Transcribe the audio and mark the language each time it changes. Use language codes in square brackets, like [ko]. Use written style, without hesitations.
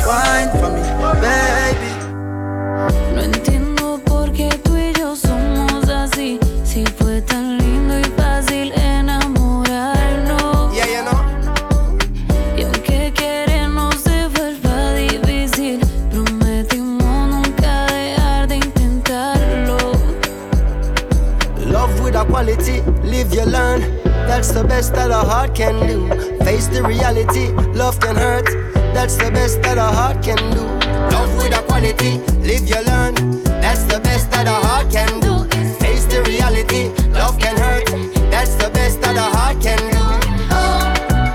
[en] Wine for me, wine for me, baby. [es] No entiendo por qué tú y yo somos así. Si fue tan lindo y fácil enamorarnos. [en] Yeah, you know. [es] Y aunque querernos se vuelva difícil, prometimos nunca dejar de intentarlo. [en] Love with a quality, live your learn. That's the best that a heart can do. Face the reality, love can hurt. That's the best that a heart can do. Love with a quality, live you learn. That's the best that a heart can do. Face the reality, love can hurt. That's the best that a heart can do.